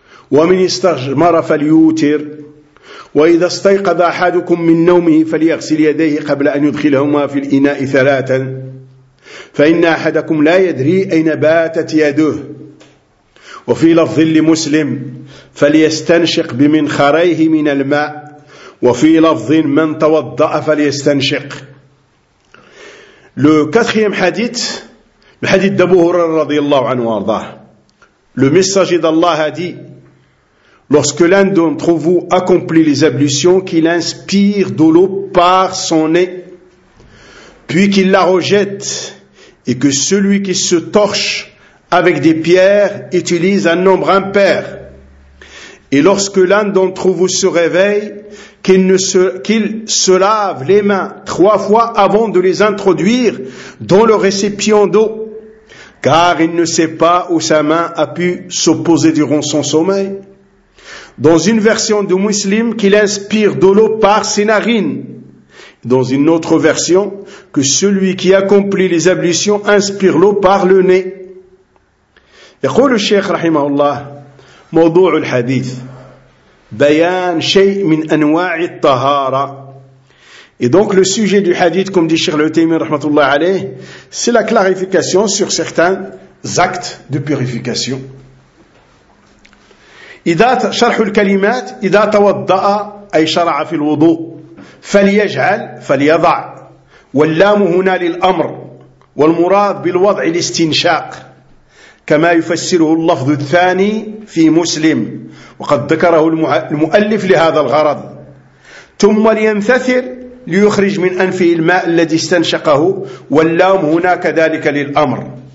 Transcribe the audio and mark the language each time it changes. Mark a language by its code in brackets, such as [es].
[ar] ومن استجمر فليوتر وإذا استيقظ أحدكم من نومه فليغسل يديه قبل أن يدخلهما في الإناء ثلاثا فإن أحدكم لا يدري أين باتت يده وفي لفظ لمسلم فليستنشق بمنخريه من الماء وفي لفظ من توضأ فليستنشق. [fr] Le quatrième hadith, le hadith d'Abu Hurayra [ar] رضي الله عنه وارضاه. [fr] Le messager d'Allah a dit, lorsque l'un d'entre vous accomplit les ablutions, qu'il inspire de l'eau par son nez, puis qu'il la rejette, et que celui qui se torche avec des pierres, utilise un nombre impair. Et lorsque l'un d'entre vous se réveille, qu'il se lave les mains trois fois avant de les introduire dans le récipient d'eau, car il ne sait pas où sa main a pu se poser durant son sommeil. Dans une version du muslim, qu'il inspire de l'eau par ses narines. Dans une autre version, que celui qui accomplit les ablutions inspire l'eau par le nez. [ar] يقول الشيخ رحمه الله موضوع الحديث بيان شيء من أنواع الطهارة. [fr] Et donc le sujet du hadith, comme dit Cheikh Al-Uthaymeen rahmatullah alayh, c'est la clarification sur certains actes de purification. [ar] إذا شرح الكلمات إذا توضأ أي شرع في الوضوء فليجعل فليضع واللام هنا للأمر والمراد بالوضع الاستنشاق كما يفسره اللفظ الثاني في مسلم وقد ذكره المؤلف لهذا الغرض ثم لينثثر ليخرج من أنفه الماء الذي استنشقه واللام هنا كذلك للأمر